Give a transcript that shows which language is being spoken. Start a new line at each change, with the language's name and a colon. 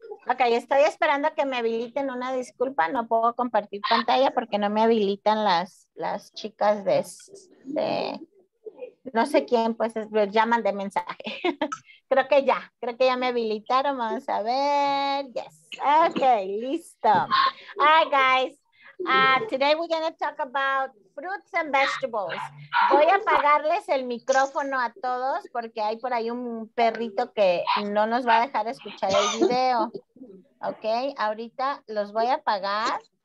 Spanish: Ok, estoy esperando que me habiliten, una disculpa, no puedo compartir pantalla porque no me habilitan las chicas de no sé quién, pues me llaman de mensaje. creo que ya me habilitaron, vamos a ver,
English: yes.
Spanish: Ok, listo.
English: All right, guys, today we're going to talk about fruits and vegetables.
Spanish: Voy a apagarles el micrófono a todos porque hay por ahí un perrito que no nos va a dejar escuchar el video. Ok, ahorita los voy a apagar.